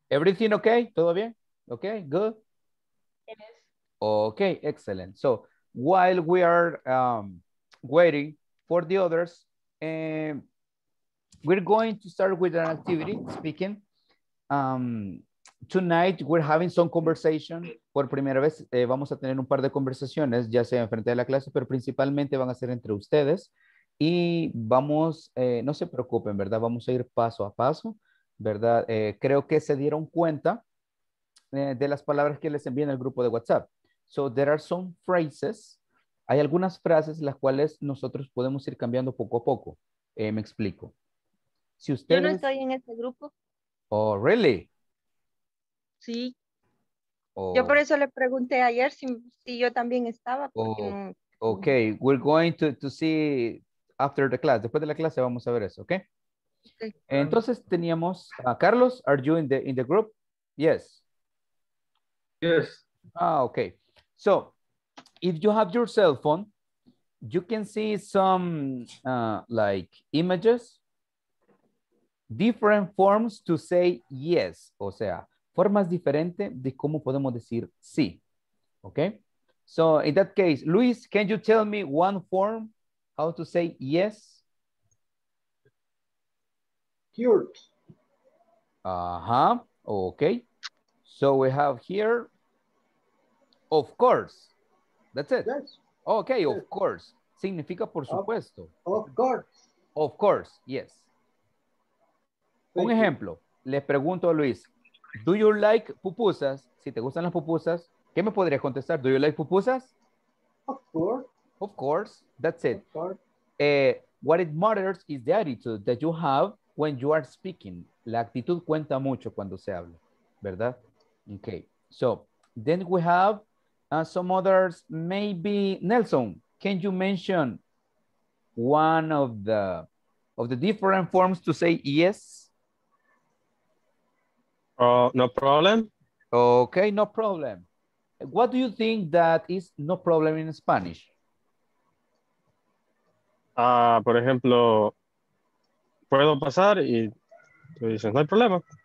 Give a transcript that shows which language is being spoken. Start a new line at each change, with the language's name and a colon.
English: Everything okay?
Spanish: ¿Todo bien?
English: Okay, good. Yes. Okay, excellent. So, while we are waiting for the others, we're going to start with an activity speaking. Tonight, we're having some conversation.
Spanish: Por primera vez, vamos a tener un par de conversaciones, ya sea en frente de la clase, pero principalmente van a ser entre ustedes. Y vamos, no se preocupen, ¿verdad? Vamos a ir paso a paso, ¿verdad? Creo que se dieron cuenta de las palabras que les envié en el grupo de WhatsApp.
English: So, there are some phrases.
Spanish: Hay algunas frases las cuales nosotros podemos ir cambiando poco a poco. Me explico. Si ustedes... Yo no estoy en este grupo.
English: Oh, really?
Spanish: Sí. Oh. Yo por eso le pregunté ayer si, si yo también estaba. Porque...
English: Oh, ok, we're going to see after the class.
Spanish: Después de la clase vamos a ver eso, ¿ok?
English: Okay.
Spanish: Entonces teníamos a Carlos.
English: Are you in the group? Yes. Yes. Ah, ok. So, if you have your cell phone, you can see some like images, different forms to say yes.
Spanish: O sea, formas diferentes de cómo podemos decir sí.
English: Okay. So, in that case, Luis, can you tell me one form how to say yes? Cute. Uh-huh. Okay. So, we have here, of course. That's it. Yes. Okay, yes. Of course.
Spanish: Significa por supuesto.
English: Of course. Of course, yes. Thank
Spanish: Un ejemplo.
English: You.
Spanish: Le pregunto a Luis,
English: do you like pupusas?
Spanish: Si te gustan las pupusas, ¿qué me podrías contestar?
English: Do you like pupusas? Of course. Of course, that's it. Of course. What it matters is the attitude that you have when you are speaking.
Spanish: La actitud cuenta mucho cuando se habla, ¿verdad?
English: Okay, so then we have some others, maybe Nelson, can you mention one of the different forms to say yes? No problem. Okay, no problem. What do you think that is no problem in Spanish?
Spanish: Por ejemplo, puedo pasar y tú dices, no hay problema.